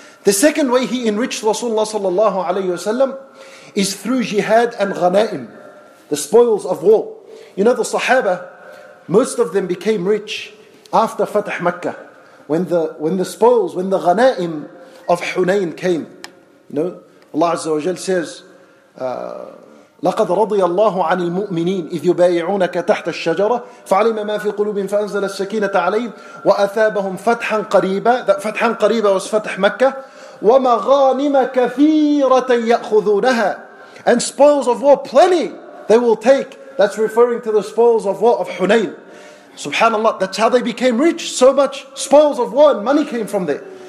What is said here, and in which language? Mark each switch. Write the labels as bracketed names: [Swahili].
[English] The second way he enriched Rasulullah sallallahu alayhi wasallam is through jihad and ghanaim, the spoils of war. You know, the Sahaba, most of them became rich after Fatah Makkah, when the spoils, when the ghanaim of Hunayn came. No, Allah Azza wa Jal says, [Arabic] لَقَدْ رَضِيَ اللَّهُ عَنِ الْمُؤْمِنِينَ إِذْ يُبَايِعُونَكَ تَحْتَ الشَّجَرَةِ فَعَلِمَ مَا فِي قُلُوبِهِمْ فَأَنْزَلَ السَّكِينَةَ عَلَيْهِمْ وَأَثَابَهُمْ فَتْحًا قَرِيبًا. [English] That [Arabic] فَتْحًا قَرِيبًا [English] was Fatah Makkah. [Arabic] وَمَغَانِمَ كَثِيرَةً يَأْخُذُونَهَا. [English] And spoils of war, plenty they will take. That's referring to the spoils of war of Hunayn. Subhanallah, that's how they became rich. So much spoils of war and money came from there.